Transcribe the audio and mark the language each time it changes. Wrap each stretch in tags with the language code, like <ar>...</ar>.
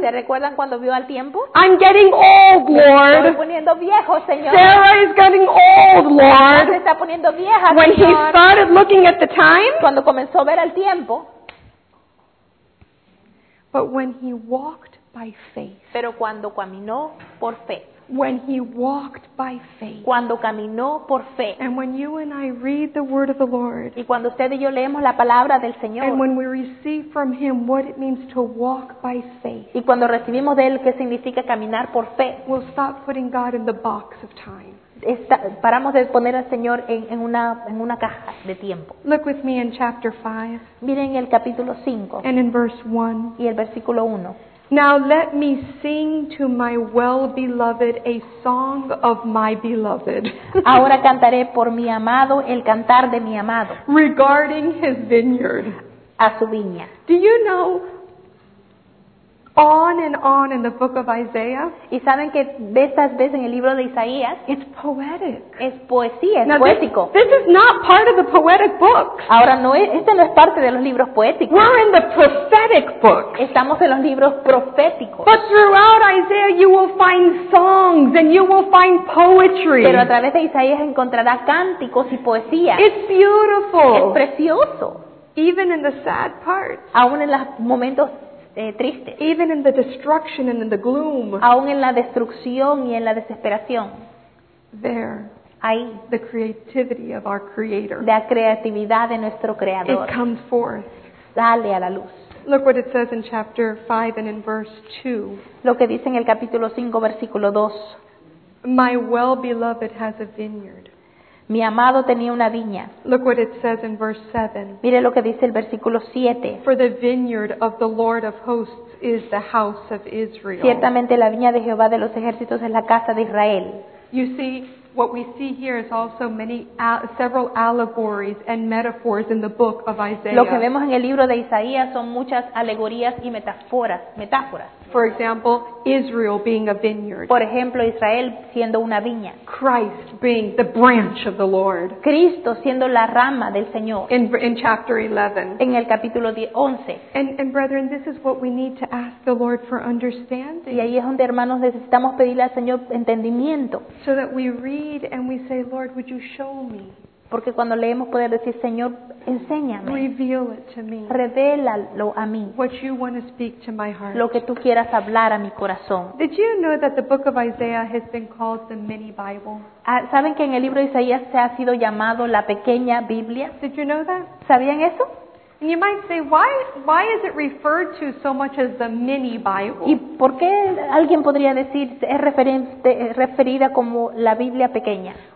<es>¿Se recuerdan cuando vio al tiempo?</es> <en>I'm getting old, Lord.</en> <es>Estoy poniendo viejo, Señor.</es> <en>Sarah is getting old, Lord.</en> <es>Se está poniendo vieja,</es> <en>when</en> <es>Señor.</es> <en>When he started looking at the time?</en> <es>Cuando comenzó a ver el tiempo.</es> <en>But when he walked by faith.</en> <es>Pero cuando caminó por fe.</es> <en>When he walked by faith.</en> <es>Cuando caminó por fe.</es> <en>And when you and I read the word of the Lord.</en> <es>Y cuando usted y yo leemos la palabra del Señor.</es> <en>And when we receive from him what it means to walk by faith.</en> <es>Y cuando recibimos de él qué significa caminar por fe.</es> <en>We'll stop putting God in the box of time.</en> <es>Paramos de poner al Señor en una caja de tiempo.</es> <en>Look with me in chapter 5.</en> <es>Miren el capítulo 5.</es> <en>And in verse 1.</en> <es>Y el versículo 1.</es> <en>Now let me sing to my well-beloved a song of my beloved.</en> <es>Ahora cantaré por mi amado el cantar de mi amado.</es> <en>Regarding his vineyard.</en> <es>A su viña.</es> <en>Do you know? On and on in the book of Isaiah.</en> <es>Y saben que de estas veces en el libro de Isaías.</es> <en>It's poetic.</en> <es>Es poesía, es now poético.</es> <en>This is not part of the poetic books.</en> <es>Ahora no es, este no es parte de los libros poéticos.</es> <en>We're in the prophetic books.</en> <es>Estamos en los libros proféticos.</es> <en>But throughout Isaiah you will find songs and you will find poetry.</en> <es>Pero a través de Isaías encontrará cánticos y poesía.</es> <en>It's beautiful.</en> <es>Es precioso.</es> <en>Even in the sad parts.</en> <es>Aún en los momentos tristes.</es> <en>Even in the destruction and in the gloom.</en> <es>Aún en la destrucción y en la desesperación.</es> <en>There.</en> <es>Ahí.</es> <en>The creativity of our Creator.</en> <es>La creatividad de nuestro Creador.</es> <en>It comes forth.</en> <es>Sale a la luz.</es> <en>Look what it says in chapter 5 and in verse 2.</en> <es>Lo que dice en el capítulo 5, versículo 2.</es> <en>My well-beloved has a vineyard.</en> <es>Mi amado tenía una viña.</es> <en>Look what it says in verse 7.</en> <es>Mire lo que dice el versículo 7.</es> <en>For the vineyard of the Lord of hosts is the house of Israel.</en> <es>Ciertamente la viña de Jehová de los ejércitos es la casa de Israel.</es> <en>You see, what we see here is also several allegories and metaphors in the book of Isaiah.</en> <es>Lo que vemos en el libro de Isaías son muchas alegorías y metáforas.</es> <en>For example, Israel being a vineyard.</en> <es>Por ejemplo, Israel siendo una viña.</es> <en>Christ being the branch of the Lord.</en> <es>Cristo siendo la rama del Señor.</es> <en>In chapter 11.</en> <es>En el capítulo 11.</es> <en>And brethren, this is what we need to ask the Lord for understanding.</en> <es>Y ahí es donde, hermanos, necesitamos pedirle al Señor entendimiento.</es> <en>So that we read and we say, Lord, would you show me?</en> <es>Porque cuando leemos podemos decir, Señor, enséñame.</es> <en>Reveal it to me.</en> <es>Revélalo a mí.</es> <en>What you want to speak to my heart.</en> <es>Lo que tú quieras hablar a mi corazón.</es> <en>Did you know that the book of Isaiah has been called the mini Bible?</en> <es>¿Saben que en el libro de Isaías se ha sido llamado la pequeña Biblia?</es> <en>Did you know that?</en> <es>¿Sabían eso?</es> <en>And you might say, why is it referred to so much as the mini Bible?</en> <es>¿Y por qué alguien podría decir es referida como la Biblia pequeña?</es>